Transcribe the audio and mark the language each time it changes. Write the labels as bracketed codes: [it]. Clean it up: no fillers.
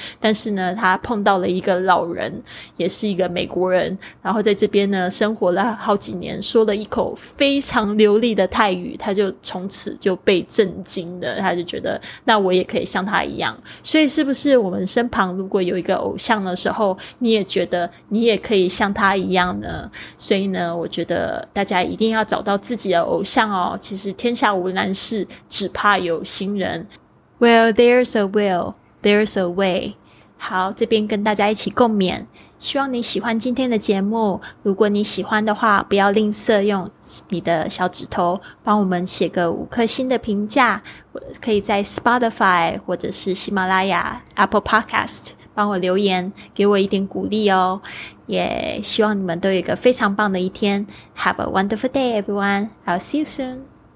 [zh] 但是呢，他碰到了一个老人，也是一个美国人，然后在这边呢生活了好几年，说了一口非常流利的泰语，他就从此就被震惊了，他就觉得那我也可以像他一样。所以是不是我们身旁如果有一个偶像的时候，你也觉得你也可以像他一样呢？所以呢，我觉得大家一定要找到自己的偶像哦。其实天下无难事，只怕有心人。 [en] Well, there's a will, there's a way。 [zh] 好，这边跟大家一起共勉，希望你喜欢今天的节目。如果你喜欢的话，不要吝啬用你的小指头帮我们写个5颗星的评价，可以在 Spotify 或者是喜马拉雅 Apple Podcast 帮我留言，给我一点鼓励哦。 [en] 也、yeah, [zh] 希望你们都有一个非常棒的一天。 [en] Have a wonderful day everyone. I'll see you soon.